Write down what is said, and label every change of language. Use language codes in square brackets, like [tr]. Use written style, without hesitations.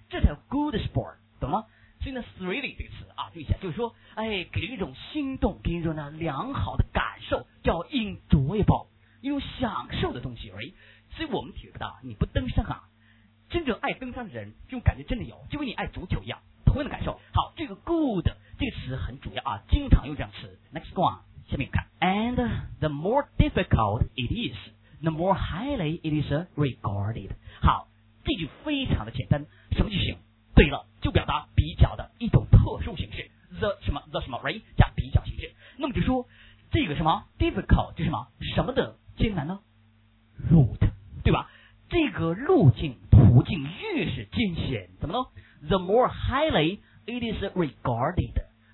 [zh] 这才叫 good sport， 懂吗？所以呢 ，thrilling 这个词啊，注意一下，就是说，哎，给人一种心动，给人一种呢良好的感受，叫 enjoyable， 一种享受的东西 ，right？所以我们体会不到，你不登山啊，真正爱登山的人，这种感觉真的有，就跟你爱足球一样，同样的感受。好，这个 good 这个词很主要啊，经常用这样词。 Next one， 下面看。 [en] And the more difficult it is, the more highly it is regarded。 [zh] 好，这句非常的简单，什么句型？对了，就表达比较的一种特殊形式。 The 什么 the 什么 right 加比较形式。那么就说这个什么 difficult 就什么什么的艰难呢 ？Route， 对吧？这个路径途径越是艰险，怎么呢 ？ [en] The more highly it is regarded。